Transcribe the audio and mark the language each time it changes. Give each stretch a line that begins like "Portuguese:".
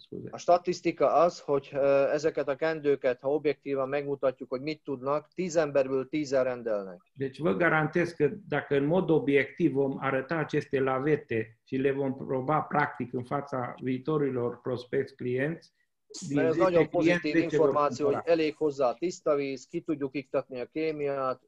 Hungarian: A statisztika az, hogy ezeket a kendőket, ha objektívan megmutatjuk, hogy mit tudnak, 10 emberből 10-el rendelnek.
Romanian: Deci vă garantez că dacă în mod obiectiv vom arăta aceste lavete și le vom proba practic în fața viitorilor prospect clienți,
Hungarian: mert ez nagyon pozitív információ, hogy elég hozzá tiszta víz, ki tudjuk iktatni a kémiát,